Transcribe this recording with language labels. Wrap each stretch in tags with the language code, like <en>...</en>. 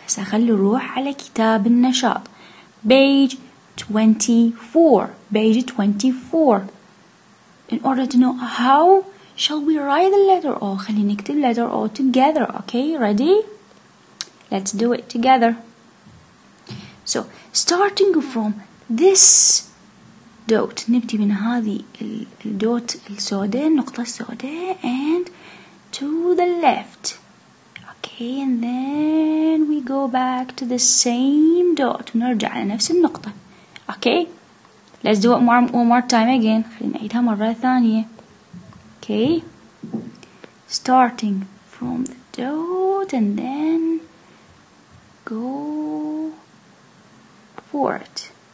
<ar>سأخلي روح على كتاب النشاط.</ar> <en>Page 24. Page 24. In order to know how shall we write the letter O.</en> <ar>خلي نكتب</ar> <en>letter O together. Okay, ready? Let's do it together. So, starting from this dot.</en> <ar>نبدي من هذه الدوت السوداء, النقطة السوداء,</ar> <en>and to the left. Okay, and then we go back to the same dot.</en> <ar>نرجع على نفس النقطة.</ar> <en>Okay, let's do it one more time again.</en> <ar>خلينا نعيدها مرة ثانية.</ar> <en>Okay, starting from the dot and then go for it.</en>